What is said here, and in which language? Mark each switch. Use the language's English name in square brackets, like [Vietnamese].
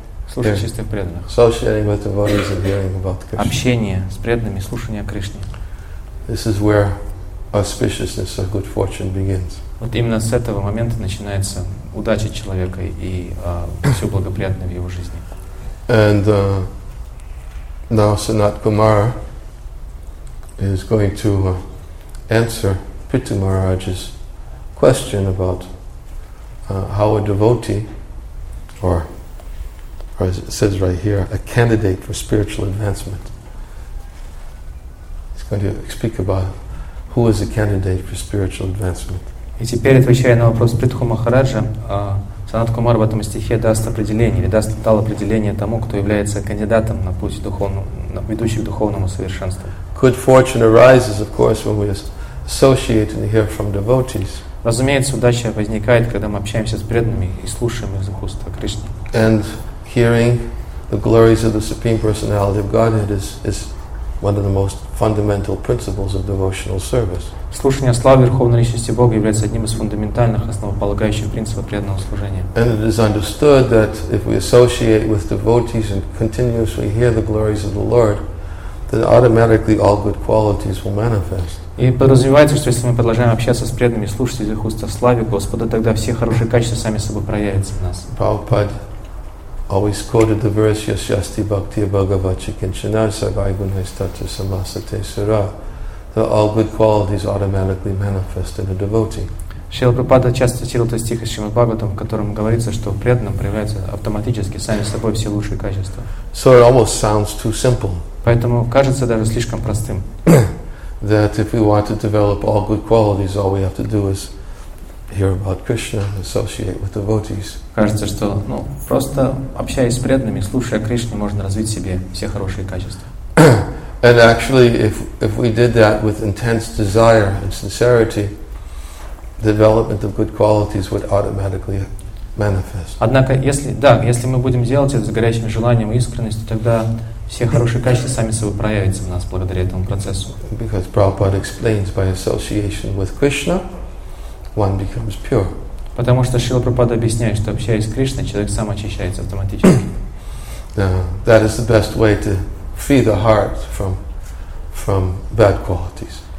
[Russian] Слушать чистых преданных. [English] Associating with devotees and hearing about Krishna. [Russian] Общение с преданными, слушание о Кришне. [English] This is where auspiciousness or good fortune begins. [Russian] Вот именно с этого момента начинается удача человека и все благоприятное в его жизни. [English] And now Sanat Kumar is going to answer Prithu Maharaj's question about how a devotee, or as it says right here, a candidate for spiritual advancement. Going to speak about who is a candidate for spiritual advancement. [Russian] И теперь отвечая на вопрос Притху Махараджа, Санат Кумар в этом стихе даст определение, или даст, дал определение тому, кто является кандидатом на путь духовного, ведущий к духовному совершенству. [English] Good fortune arises, of course, when we associate and hear from devotees. [Russian] Разумеется, удача возникает, когда мы общаемся с преданными и слушаем из уст Кришны. [English] And hearing the glories of the Supreme Personality of Godhead is one of the most fundamental principles of devotional service. [Russian] Слушание славы Верховной Личности Бога является одним из фундаментальных, основополагающих принципов преданного служения. [English] And it is understood that if we associate with devotees and continuously hear the glories of the Lord, then automatically all good qualities will manifest. [Russian] И подразумевается, что если мы продолжаем общаться с преданными, слушать из их уст о славе Господа, тогда все хорошие качества сами собой проявятся в нас. [English] Prabhupada always quoted the verse [Sanskrit] Yasyasti Bhaktiya Bhagavachikinchana Sarvai Gunaistatya Samasate Sura. [English] That all good qualities automatically manifest in a devotee. [Russian] Шрила Прабхупада часто цитировал этот стих из Шримад Бхагаватам, в котором говорится, что в преданном проявляются автоматически сами собой все лучшие качества. [English] So it almost sounds too simple. [Russian] Поэтому кажется даже слишком простым. [English] That if we want to develop all good qualities, all we have to do is hear about Krishna and associate with devotees. [Russian] Кажется, что ну просто общаясь с преданными, слушая Кришну, можно развить в себе все хорошие качества. [English] And actually, if we did that with intense desire and sincerity, the development of good qualities would automatically manifest. [Russian] Однако, если да, если мы будем делать это с горячим желанием и искренностью, тогда все хорошие качества сами собой проявятся в нас благодаря этому процессу. [English] Because Prabhupada explains, by association with Krishna, one becomes pure. [Russian] Потому что Шрила Прабхупада объясняет, что общаясь с Кришной, человек сам очищается автоматически. [English] That is the best way to free the heart from bad qualities.